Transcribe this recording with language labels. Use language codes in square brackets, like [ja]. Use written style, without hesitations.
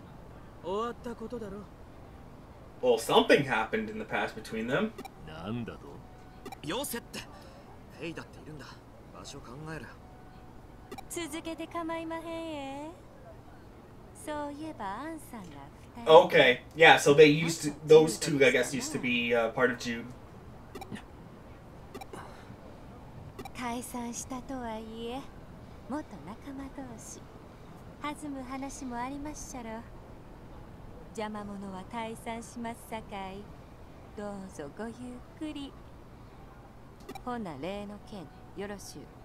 [ja] 今更詫びでも入れに来たのか。またそれかよ。もうよしてくれ。終わったことだろ。Well, [en] something happened in the past between them. [ja] なんだと。よせって。ヘイだっているんだ。 [en] Okay, yeah, so they used to, those two, I guess, used to be part of Jude. [ja] 解散したとはいえ、元仲間同士、弾む話もありましたろ。邪魔者は退散しますさかい。どうぞごゆっくり。ほな、例の件、よろしゅう。